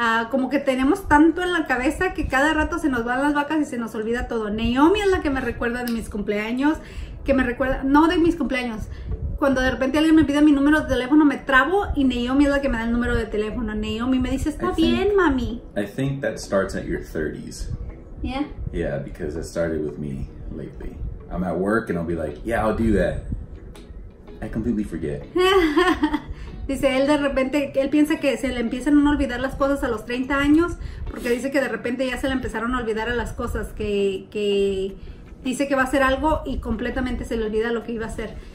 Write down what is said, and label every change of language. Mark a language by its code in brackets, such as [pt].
[es] Como que tenemos tanto en la cabeza que cada rato se nos van las vacas y se nos olvida todo. Naomi es la que me recuerda de mis cumpleaños, que me recuerda, no de mis cumpleaños. Cuando de repente alguien me pide mi número de teléfono, me trabo, y Naomi es la que me da el número de teléfono. Naomi me dice, está bien, mami. [en] I think that starts at your 30s. Yeah. Yeah, because it started with me lately. I'm at work and I'll be like, yeah, I'll do that. I completely forget. [es] Dice él, de repente, él piensa que se le empiezan a olvidar las cosas a los 30 años, porque dice que de repente ya se le empezaron a olvidar a las cosas, que dice que va a hacer algo y completamente se le olvida lo que iba a hacer.